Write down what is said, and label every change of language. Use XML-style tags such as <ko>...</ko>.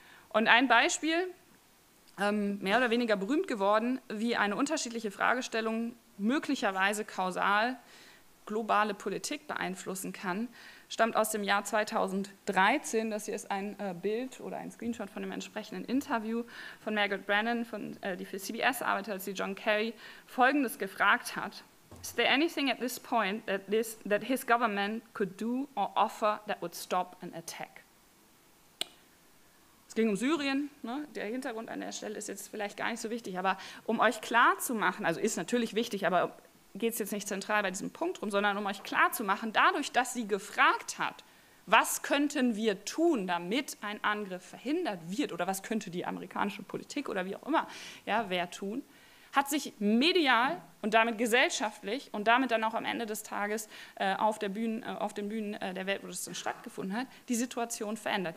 <de>Und ein Beispiel, mehr oder weniger berühmt geworden, wie eine unterschiedliche Fragestellung möglicherweise kausal globale Politik beeinflussen kann, stammt aus dem Jahr 2013. Das hier ist ein Bild oder ein Screenshot von dem entsprechenden Interview von Margaret Brennan, die für CBS arbeitet, als sie John Kerry Folgendes gefragt hat.</de> <en>Is there anything at this point that his government could do or offer that would stop an attack?</en> <de>Es ging um Syrien. Ne? Der Hintergrund an der Stelle ist jetzt vielleicht gar nicht so wichtig. Aber um euch klarzumachen, also ist natürlich wichtig, aber geht es jetzt nicht zentral bei diesem Punkt rum, sondern um euch klarzumachen, dadurch, dass sie gefragt hat, was könnten wir tun, damit ein Angriff verhindert wird oder was könnte die amerikanische Politik oder wie auch immer, ja, wer tun, hat sich medial und damit gesellschaftlich und damit dann auch am Ende des Tages auf den Bühnen der Welt, wo das dann stattgefunden hat, die Situation verändert.</de>